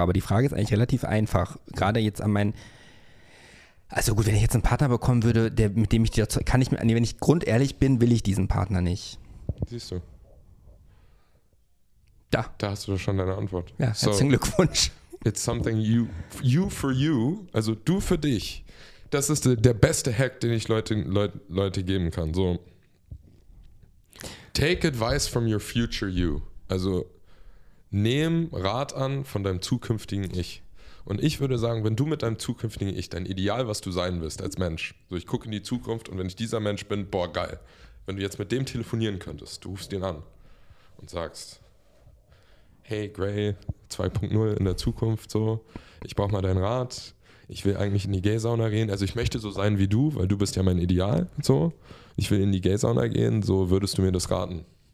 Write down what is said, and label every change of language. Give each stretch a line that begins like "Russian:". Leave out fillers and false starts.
German: Aber die Frage ist eigentlich relativ einfach. Gerade jetzt an meinen, also gut, wenn ich jetzt einen Partner bekommen würde, der, mit dem ich, kann ich mir, nee, wenn ich grundehrlich bin, will ich diesen Partner nicht. Siehst du. Da. Da hast du doch schon deine Antwort. Ja, herzlichen Glückwunsch.
English: It's something you for you,
German: also du für dich. Das ist der beste Hack, den ich Leute geben kann. So.
English: Take advice from your future you.
German: Also nimm Rat an von deinem zukünftigen Ich. Und ich würde sagen, wenn du mit deinem zukünftigen Ich, dein Ideal, was du sein wirst als Mensch, so ich gucke in die Zukunft und wenn ich dieser Mensch bin, boah geil. Wenn du jetzt mit dem telefonieren könntest, du rufst ihn an und sagst, hey Gray, 2.0 in der Zukunft, so, ich brauche mal deinen Rat, ich will eigentlich in die Gay-Sauna gehen, also ich möchte so sein wie du, weil du bist ja mein Ideal, so, ich will in die Gay-Sauna gehen, so würdest du mir das raten?